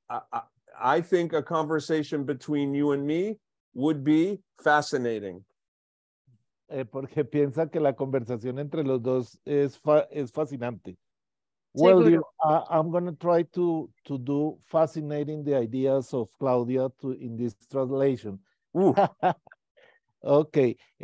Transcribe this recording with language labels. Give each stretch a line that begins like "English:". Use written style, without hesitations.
Spanish: Porque
English: I think a conversation between you and me would be fascinating.
Spanish: Porque piensa que la conversación entre los dos es fascinante.
English: Well, dear, I'm going to try to do fascinating the ideas of Claudia in this translation. Okay.